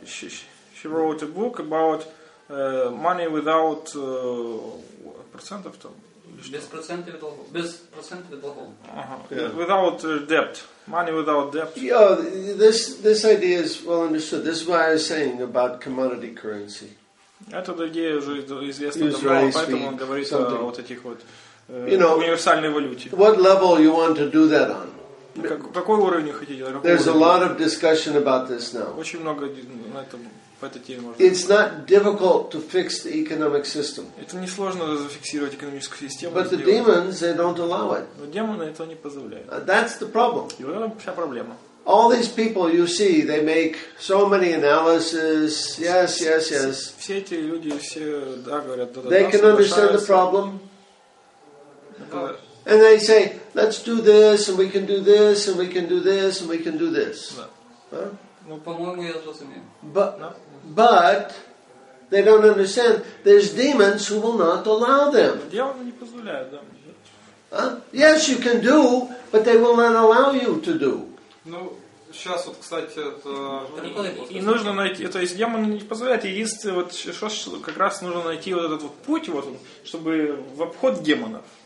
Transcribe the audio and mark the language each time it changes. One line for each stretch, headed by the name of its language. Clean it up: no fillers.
English: She wrote a book about money without
Russian: процентов там. Без процентов долгов. Без процентов долгов.
English: Ага. Uh-huh. Yeah. Without debt. Money without debt. Yeah, this idea is well understood. This is why I was saying about commodity currency.
Russian: Эта идея уже известна давно, поэтому он говорит something. О вот этих вот универсальной валюте.
English: What level you want to do that on?
Russian: Какой уровень хотите?
English: There's a lot of discussion about this now.
Russian: Очень много на этом.
English: It's not difficult to fix the economic system.
Russian: Это не сложно зафиксировать экономическую систему.
English: But the demons, they don't allow it.
Russian: Но демоны этого не позволяют.
English: That's the problem.
Russian: И вот это вся проблема.
English: All these people you see, they make so many analyses. Yes, yes, yes.
Russian: Все эти люди все да говорят да.
English: They can understand the problem. And they say, let's do this, and we can do this, and we can do this, and we can do this.
Russian: Ну, по-моему, я разумею.
English: But they don't understand. There's demons who will not allow them.
Russian: Демоны не позволяют, да?
English: Yes, you can do, but they will not allow you to do.
Russian: Ну, сейчас вот, кстати, это... И нужно найти... То есть демоны не позволяют. Единственное, вот что как раз нужно найти вот этот вот путь, вот он, чтобы в обход демонов.